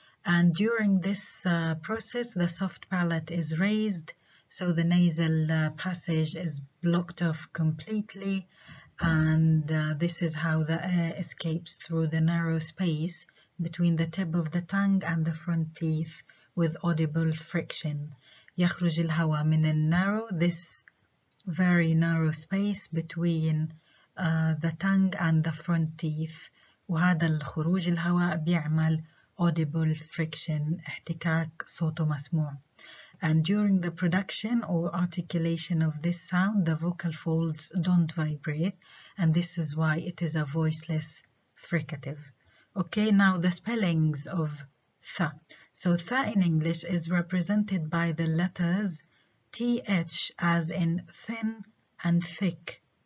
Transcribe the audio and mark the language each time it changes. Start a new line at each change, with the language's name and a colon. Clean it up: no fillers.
English: And during this process, the soft palate is raised, so the nasal passage is blocked off completely, and this is how the air escapes through the narrow space between the tip of the tongue and the front teeth with audible friction. يخرج الهواء من النارو, this very narrow space between the tongue and the front teeth.
Arabic: وهذا الخروج الهواء بيعمل audible friction, احتكاك صوته مسموع.
English: And during the production or articulation of this sound, the vocal folds don't vibrate, and this is why it is a voiceless fricative. Okay, now the spellings of th. So th in English is represented by the letters th as in thin and thick.